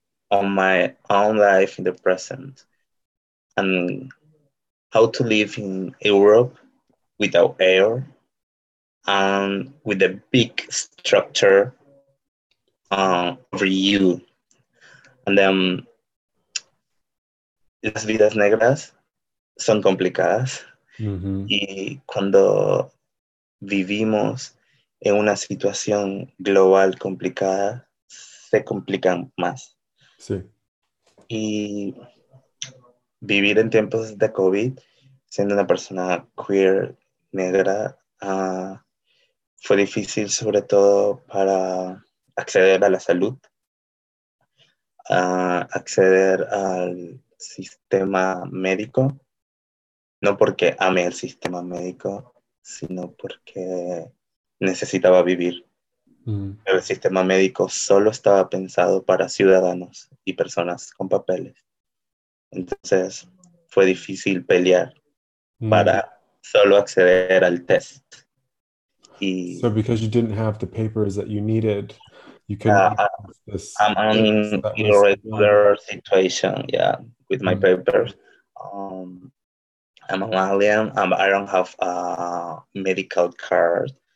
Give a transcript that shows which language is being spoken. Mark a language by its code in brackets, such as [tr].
[en] on my own life in the present and how to live in Europe without air and with a big structure over you. And then [es] las vidas negras son complicadas. Mm-hmm. Y cuando vivimos en una situación global complicada, se complican más. Sí. Y vivir en tiempos de COVID, siendo una persona queer, negra, fue difícil sobre todo para acceder a la salud, acceder al sistema médico, no porque ame el sistema médico, sino porque necesitaba vivir. Mm. El sistema médico solo estaba pensado para ciudadanos y personas con papeles. Entonces fue difícil pelear para solo acceder al test. Y, [en] so because you didn't have the papers that you needed, you couldn't this. I'm in irregular situation, yeah, with my papers. I'm an alien. I don't have a medical card.